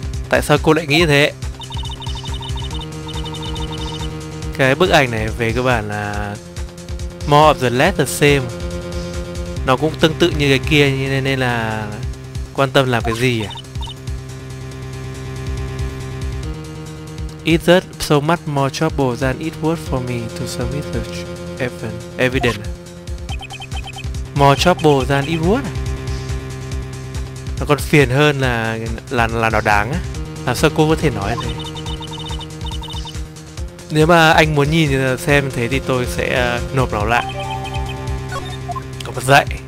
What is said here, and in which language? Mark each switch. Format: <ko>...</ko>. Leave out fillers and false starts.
<vi>Tại sao cô lại nghĩ thế? Cái bức ảnh này về cơ bản là</vi> <en>more of the less the same.</en> <vi>Nó cũng tương tự như cái kia nên là quan tâm làm cái gì à?</vi> <en>It's just so much more trouble than it worth for me to submit the evidence. More trouble than it worth.</en> <vi>Nó còn phiền hơn là nó đáng á. Làm sao cô có thể nói thế? Nếu mà anh muốn nhìn xem thế thì tôi sẽ nộp nó lại. Có một dạy.</vi>